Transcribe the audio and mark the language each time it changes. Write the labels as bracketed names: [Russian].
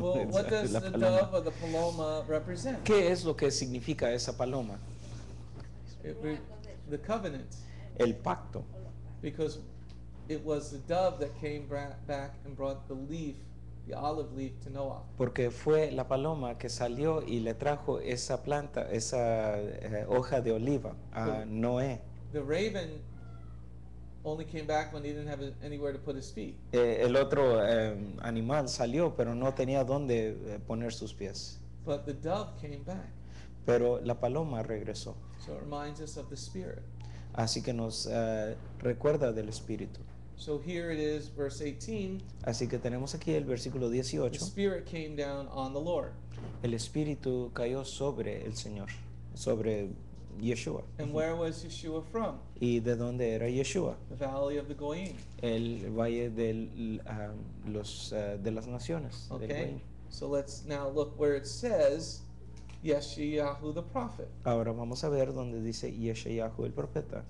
[English] Well, what does the dove or the paloma represent? [Spanish] ¿Qué es lo que significa esa paloma? [English] The covenant. [Spanish] El pacto. [English] Because it was the dove that came back and brought the leaf, the olive leaf, to Noah. [Spanish] Porque fue la paloma que salió y le trajo esa planta, esa hoja de oliva a Noé. [English] The raven only came back when he didn't have anywhere to put his feet. [Spanish] El otro animal salió, pero no tenía dónde poner sus pies. [English] But the dove came back. [Spanish] Pero la paloma regresó. [English] So it reminds us of the Spirit. [Spanish] Así que nos recuerda del Espíritu. [English] So here it is, verse 18. [Spanish] Así que tenemos aquí el versículo 18. [English] The Spirit came down on the Lord. [Spanish] El Espíritu cayó sobre el Señor, sobre Yeshua. [English] And where was Yeshua from? [Spanish] ¿Y de dónde era Yeshua? [English] The Valley of the Goyim. [Spanish] El Valle del, de las Naciones. [English] Okay, so let's now look where it says Yeshayahu the prophet. [Spanish] Ahora vamos a ver donde dice Yeshayahu el profeta.